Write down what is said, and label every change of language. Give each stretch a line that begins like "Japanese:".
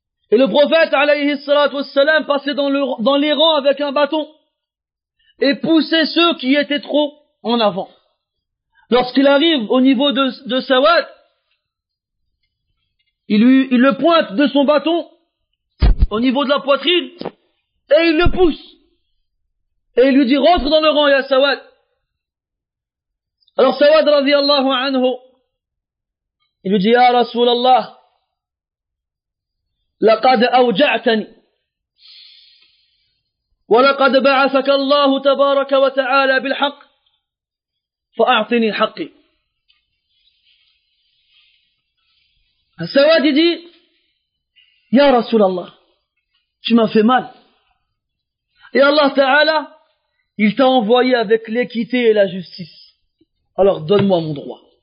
French: Et le prophète, alayhi salatu wassalam, passait dans les rangs avec un bâton et poussait ceux qui étaient trop en avant. Lorsqu'il arrive au niveau de Sawad, il le pointe de son bâton au niveau de la poitrine et il le pousse. Et il lui dit, rentre dans le rang, ya Sawad. Alors Sawad,
Arabic: radiallahu anhu,
French: il lui dit,
Arabic: ya Rasulallah, لقد أوجعتني ولقد بعثك الله تبارك وتعالى بالحق فأعطني حقي. السواد دي يا رسول الله
French: tu m'as fait mal et Allah Ta'ala il t'a envoyé avec l'équité et la justice, alors donne-moi mon droit.